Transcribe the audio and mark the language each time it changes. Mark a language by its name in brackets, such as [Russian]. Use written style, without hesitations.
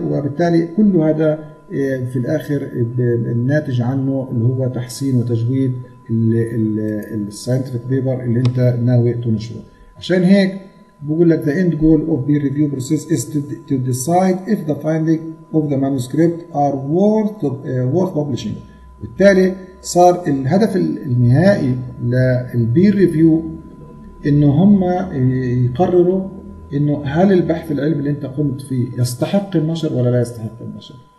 [Arabic] وبالتالي كل هذا في الآخر الناتج عنه اللي هو تحسين وتجويد الساينتفك بيبر اللي أنت ناوي تنشره. عشان هيك بقول لك [English] the end goal of the review process is to decide if the finding of the manuscript are worth publishing. [Arabic] بالتالي صار الهدف النهائي للبير ريفيو انه هم يقرروا انه هل البحث العلمي اللي انت قمت فيه يستحق النشر ولا لا يستحق النشر.